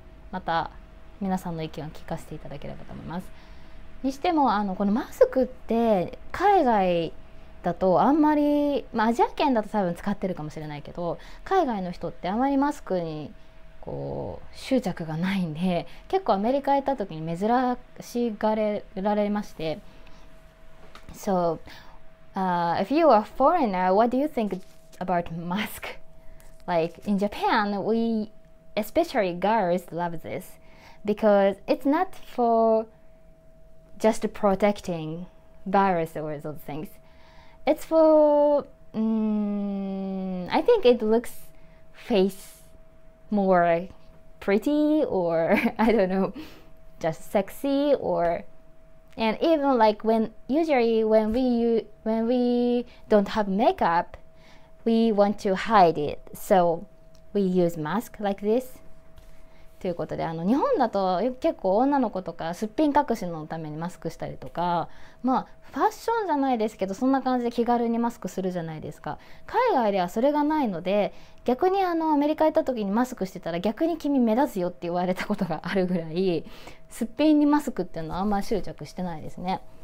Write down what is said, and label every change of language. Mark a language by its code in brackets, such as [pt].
[ja] また皆さんの意見を聞かせていただければと思います。にしてもこのマスクって海外だとあんまり、アジア圏だと多分使ってるかもしれないけど、海外の人ってあまりマスクにこう執着がないんで、結構アメリカ行った時に珍しがられまして。 [en] SoIf you are a foreigner, what do you think about mask? Like in Japan, we, especially girls, love this because it's not for just protecting virus or those things. It's for, I think it looks face more pretty or I don't know, just sexy or. And even like when usually when we don't have makeup, we want to hide it. So we use mask like this. [ja] ということで、日本だと結構女の子とかすっぴん隠しのためにマスクしたりとか、まあファッションじゃないですけど、そんな感じで気軽にマスクするじゃないですか。海外ではそれがないので、逆にアメリカ行った時にマスクしてたら逆に君目立つよって言われたことがあるぐらい、すっぴんにマスクっていうのはあんま執着してないですね。